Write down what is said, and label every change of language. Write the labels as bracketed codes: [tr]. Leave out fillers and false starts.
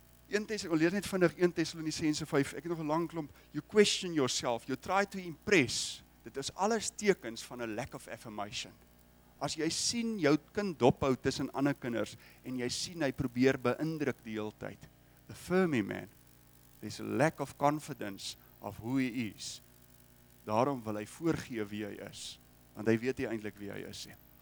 [af] Lees net vinnig 1 Tessalonisense 5. Ek het nog 'n lang klomp. [en] You question yourself, you try to impress. [af] Dit is alles tekens van 'n [en] lack of affirmation. [af] As jy sien jou kind dophou tussen ander kinders en jy sien hy probeer beïndruk die hele tyd. [en] Affirm him, man. There's a lack of confidence of who he is. [af] Daarom wil hy voorgee wie hy is, want hy weet nie eintlik wie hy is nie.